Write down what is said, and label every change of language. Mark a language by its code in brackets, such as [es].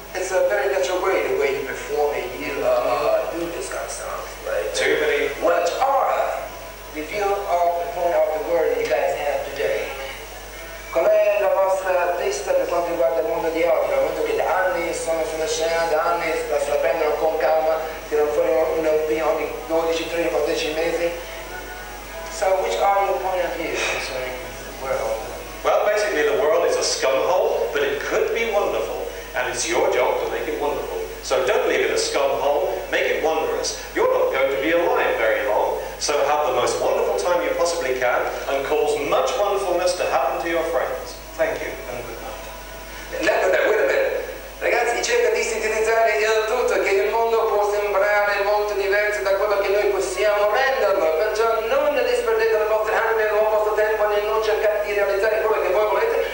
[en] It's a very natural way, the way you perform and you do this kind of stuff. Right? So you believe, what are the view of the point of the world you guys have today? [it] Com'è la vostra vista per quanto riguarda il mondo di oggi? Al momento che da anni sono sulla scena, da anni la prendono con calma, tirano fuori un'opinione ogni 12, 13, 14 mesi. [en] So which are your point of view concerning the world? Well, basically the world is a scum hole, but it could be wonderful. And it's your job to make it wonderful. So don't leave it a scum hole, make it wondrous. You're not going to be alive very long. So have the most wonderful time you possibly can and cause much wonderfulness to happen to your friends. Thank you and good night. No, wait a minute. [it] Ragazzi, cerca di sintetizzare il tutto, che il mondo può sembrare molto diverso da quello che noi possiamo renderlo. Perciò non disperdete le vostre anime e il vostro tempo nel non cercare di realizzare quello che voi volete.